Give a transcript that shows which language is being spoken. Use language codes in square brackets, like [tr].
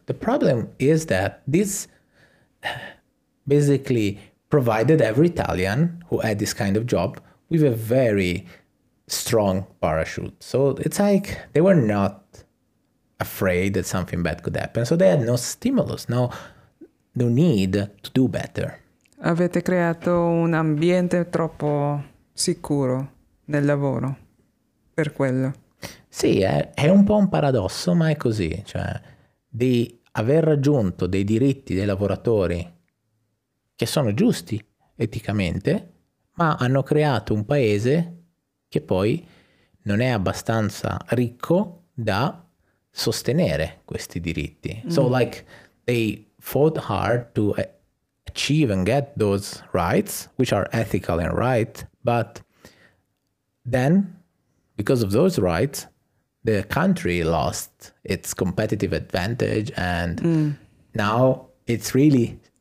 [en] The problem is that this basically provided every Italian who had this kind of job with a very strong parachute. So it's like they were not afraid that something bad could happen. So they had no stimulus, no need to do better. [it] Avete creato un ambiente troppo sicuro nel lavoro per quello. Sì, è un po' un paradosso, ma è così. Cioè, di aver raggiunto dei diritti dei lavoratori che sono giusti eticamente, ma hanno creato un paese che poi non è abbastanza ricco da sostenere questi diritti. Mm. [en] So they fought hard to achieve and get those rights, which are ethical and right, but then, because of those rights, the country lost its competitive advantage and now it's really